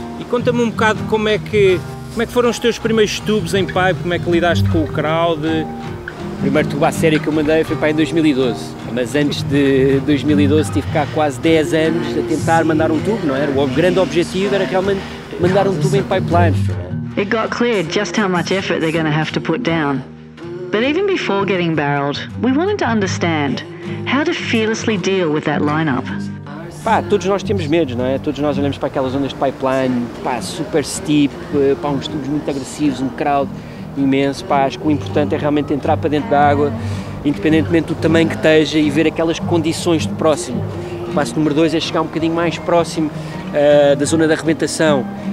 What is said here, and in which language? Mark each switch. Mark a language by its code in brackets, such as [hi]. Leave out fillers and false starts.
[pt] Conta-me um bocado como é que foram os teus primeiros tubos em pipe, como é que lidaste com o crowd? O primeiro tubo à série que eu mandei foi para em 2012, mas antes de 2012 tive cá quase 10 anos a tentar mandar um tubo, não era? O grande objetivo era realmente mandar um tubo em pipeline. [en] It got clear just how much effort they're going to have to put down. But even before getting barreled, we wanted to understand how to fearlessly deal with that lineup. [pt] Pá, todos nós temos medo, não é? Todos nós olhamos para aquelas ondas de pipeline, pá, super steep, pá, uns tubos muito agressivos, um crowd imenso, pá, acho que o importante é realmente entrar para dentro da água, independentemente do tamanho que esteja, e ver aquelas condições de próximo. O passo número 2 é chegar um bocadinho mais próximo da zona da arrebentação.